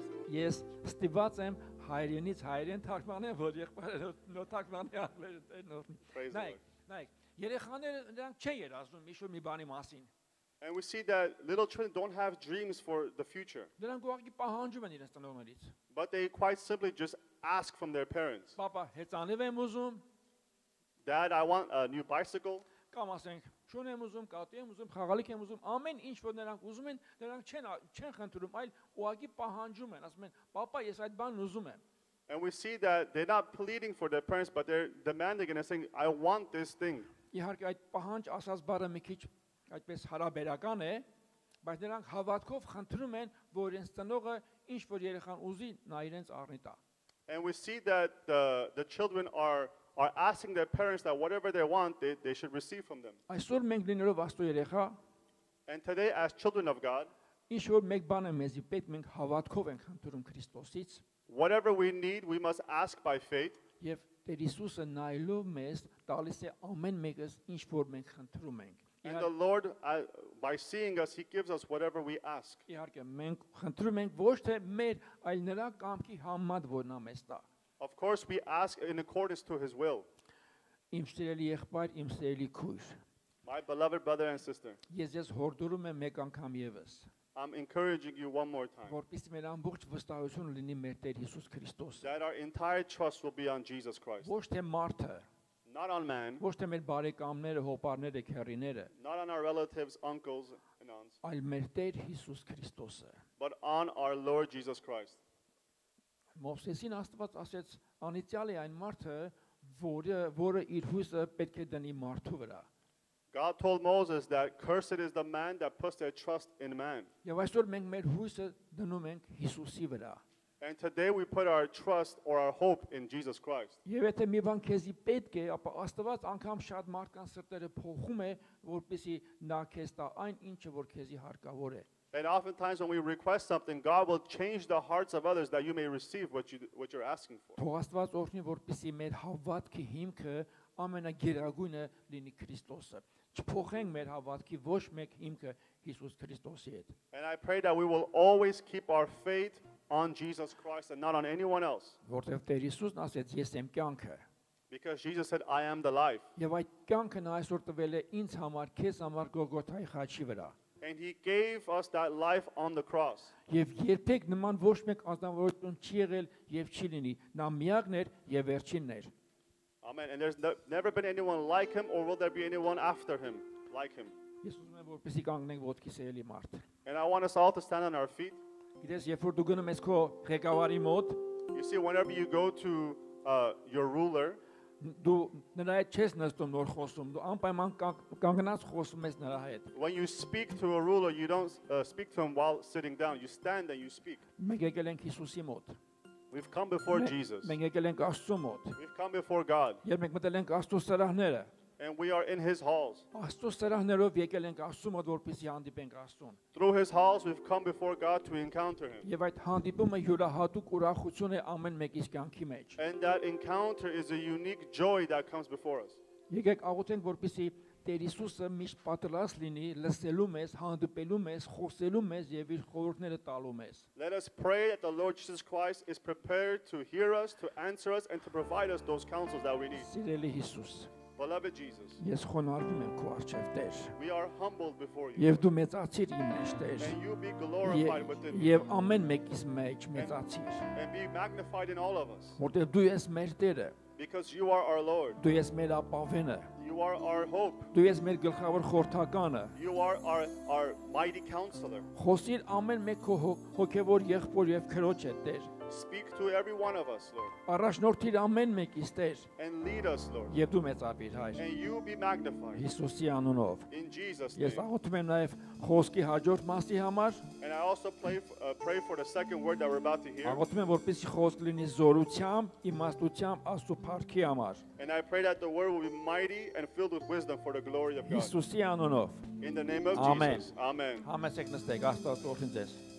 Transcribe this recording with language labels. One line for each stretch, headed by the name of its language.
Armenian: Yes, ստիված եմ հայրենից հայրեն թարգմանել, որ եղբայրը նոթակմանի արվել է նորմի։ Նայ, երեխաները նրանք չեն երազում ինչ-որ մի բանի մասին։
English: And we see that little children don't have dreams for the future.
Armenian: Նրանք ուղղակի պահանջում են իրենց ծնողներից։
English: But they quite simply just ask from their parents.
Armenian: Papa, հեծանիվ եմ ուզում։
English: Dad, I want a new bicycle.
Armenian: Կամ ասենք, շուն եմ ուզում, կատու եմ ուզում, խաղալիք եմ ուզում, ամեն ինչ որ նրանք ուզում են, նրանք չեն խնդրում, այլ ուղղակի պահանջում են, ասում են, papa, ես այդ բանն ուզում եմ։
English: And we see that they're not pleading for their parents, but they're demanding and saying, I want this thing.
Armenian: Իհարկե այդ պահանջ ասած բառը մի քիչ այդպես հարաբերական է, բայց նրանք հավատքով խնդրում են, որ իրենց ծնողը ինչ որ երեխան ուզի, նա իրենց առնի տա։
English: And we see that the children are asking their parents that whatever they want they should receive from them.
Armenian: Այսօր մենք լինելով աստծո երեխա
English: And today as children of God,
Armenian: ինչ որ մեկ բան է մեզի պետք, մենք հավատքով ենք խնդրում Քրիստոսից.
English: Whatever we need, we must ask by faith.
Armenian: Եվ Տեր Հիսուսը նայելով մեզ տալիս է ամեն մեկս ինչ որ մենք խնդրում ենք.
English: And the Lord by seeing us he gives us whatever we ask.
Armenian: Իհարկե մենք խնդրում ենք ոչ թե մեր, այլ նրա կամքի համար, որ նա մեզ տա։
English: Of course we ask in accordance to his will.
Armenian: Իմ սիրելի եղբայր, իմ սիրելի քույր։
English: My beloved brother and sister.
Armenian: Ես ձեզ հորդորում եմ մեկ անգամ եւս։
English: I'm encouraging you one more time.
Armenian: Որպեսզի մեր ամբողջ վստահությունը լինի մեր Տեր Հիսուս Քրիստոսին։
English: That our entire trust will be on Jesus Christ.
Armenian: Ոչ թե մարդը։
English: Not on man.
Armenian: Ոչ թե մեր բարեկամները, հոպարները, քերիները։
English: Not on our relatives, uncles and aunts.
Armenian: Այլ մեր Տեր Հիսուս Քրիստոսը։
English: But on our Lord Jesus Christ.
Armenian: Մովսեսին Աստված ասեց, անիծյալի այն մարդը, որը իր հույսը պետք է դնի մարդու վրա։
English: God told Moses that cursed is the man that puts their trust in man.
Armenian: Եվ այսօր մենք մեր հույսը դնում ենք Հիսուսի վրա։
English: And today we put our trust or our hope in Jesus Christ.
Armenian: Եվ եթե մի բան քեզի պետք է, ապա Աստված անգամ շատ մարդկանց սրտերը փոխում է, որպեսզի նա քեզ տա այն ինչը, որ քեզի հարկավոր է։
English: And oftentimes when we request something, God will change the hearts of others that you may receive what you're asking for.
Armenian: Թող Աստված օրհնի, որպեսզի մեր հավատքի հիմքը ամենագերագույնը լինի Քրիստոսը։ Չփոխենք մեր հավատքի ոչ մեկ հիմքը Հիսուս Քրիստոսի հետ։
English: And I pray that we will always keep our faith on Jesus Christ and not on anyone else.
Armenian: Որտեւ Տեր Հիսուսն ասեց, ես եմ կյանքը։
English: Because Jesus said I am the life.
Armenian: Եվ այդ կյանքը նա այսօր տվել է ինձ համար, քեզ համար Գողոթայի խաչի վրա։
English: And he gave us that life on the cross.
Armenian: Եվ երբեք նման ոչ մեկ ազնվորություն չի եղել եւ չի լինի։ Նա միակն էր եւ վերջինն էր։
English: Amen. And there's never been anyone like him or will there be anyone after him like him?
Armenian: Ես ուզում եմ որպեսզի կանգնենք ոտքի սերելի մարդ։
English: And I want us all to stand on our feet.
Armenian: Գիտես, երբ որ դու գնում ես քո ղեկավարի մոտ,
English: you see whenever you go to your ruler,
Armenian: դու նրա հետ չես նստում նոր խոսում, դու անպայման կանգնած խոսում ես նրա հետ։
English: When you speak to a ruler, you don't speak to him while sitting down, you stand and you speak.
Armenian: Մենք եկել ենք Հիսուսի մոտ։
English: We've come before Jesus.
Armenian: Մենք եկել ենք Աստծո մոտ։
English: We've come before God.
Armenian: Եր մենք մտել ենք Աստծո սրահները։
English: And we are in his halls.
Armenian: Աստուծո սրահներով եկել ենք Աստծո մոտ, որպեսզի հանդիպենք Աստծուն.
English: Through his halls we've come before God to encounter him.
Armenian: Եվ այդ հանդիպումը յուրահատուկ ուրախություն է ամեն մեկիս կյանքի մեջ.
English: And that encounter is a unique joy that comes before us.
Armenian: Եկեք աղոթենք, որպեսզի Տեր Հիսուսը միշտ պատրաստ լինի լսելու մեզ, հանդիպելու մեզ, խոսելու մեզ եւ իր խորհուրդները տալու մեզ.
English: Let us pray that the Lord Jesus Christ is prepared to hear us, to answer us and to provide us those counsels that we need.
Armenian: Սիրելի Հիսուս.
English: Beloved Jesus.
Armenian: Ես խոնարհվում եմ քո առջև, Տեր.
English: We are humbled before you.
Armenian: Եվ դու մեծացիր իմ մեջ, Տեր.
English: And you be glorified within me.
Armenian: Եվ ամեն մեկիս մեջ մեծացիր.
English: And be magnified in all of us.
Armenian: Որտեղ դու ես մեր Տերը.
English: Because you are our Lord.
Armenian: Դու ես մեր ապավենը.
English: You are our hope.
Armenian: Դու ես մեր գլխավոր խորհրդականը.
English: You are our mighty counselor.
Armenian: Խոսիր ամեն մեկ հոգևոր եղբոր եւ քրոջ է, Տեր.
English: Speak to every one of us, Lord.
Armenian: Առաջնորդիր ամեն մեկիս, Տեր.
English: And lead us, Lord.
Armenian: Եւ դու մեծապիր, Հայր.
English: And you be magnified.
Armenian: Հիսուսի անունով.
English: In Jesus' name.
Armenian: Ես աղոթում եմ նաեւ խոսքի հաջորդ մասի համար.
English: And I also pray for the second word that we're about to hear.
Armenian: Աղոթում եմ, որպեսզի խոսք լինի զորությամբ, իմաստությամբ, Աստծո փառքի համար.
English: And I pray that the word will be mighty and filled with wisdom for the glory of God.
Armenian: Հիսուսի անունով.
English: In the name of Amen. Jesus. Amen.
Armenian: Համեցեք նստեք, Աստծո օրին ձեզ.